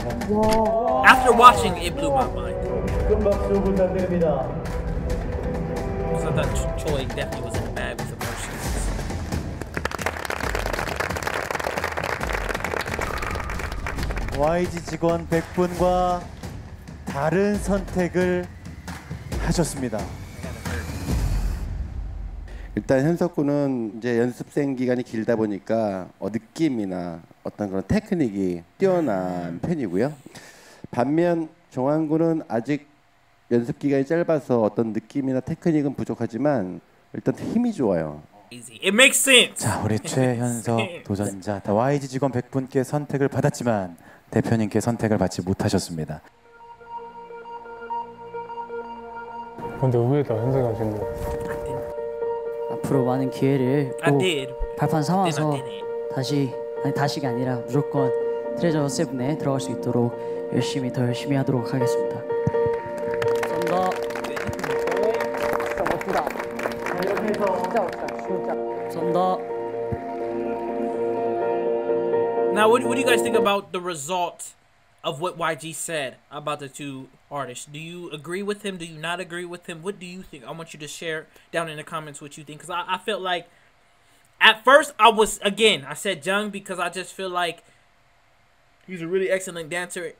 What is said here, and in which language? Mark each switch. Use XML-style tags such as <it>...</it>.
<en>Wow. After watching, it blew my mind. So I thought Choi definitely was in the bag with emotions.</en> <ko>YG 직원 100분과 다른 선택을 하셨습니다. 일단 현석 군은 이제 연습생 기간이 길다 보니까 느낌이나 어떤 그런 테크닉이 뛰어난 편이고요. 반면 정환 군은 아직 연습 기간이 짧아서 어떤 느낌이나 테크닉은 부족하지만 일단 힘이 좋아요.</ko> <en>It makes sense.</en> <ko>자, 우리 최현석 도전자 YG 직원 100분께 선택을 받았지만 대표님께 선택을 받지 못하셨습니다. 근데 의외다, 현석이 하신 거. 앞으로 많은 기회를 꼭 발판 삼아서 다시가 아니라 무조건 트레저 세븐에 들어갈 수 있도록 열심히 더 열심히 하도록 하겠습니다. 감사합니다. 진짜 멋지다. 이렇게 해서 진짜 멋지다, 진짜. 감사합니다.</ko> <en>Now, what do you guys think about the result of what YG said about the two artists? Do you agree with him? Do you not agree with him? What do you think? I want you to share down in the comments what you think. Because I felt like, at first, I was, again, I said Jung because I just feel like he's a really excellent dancer.</en>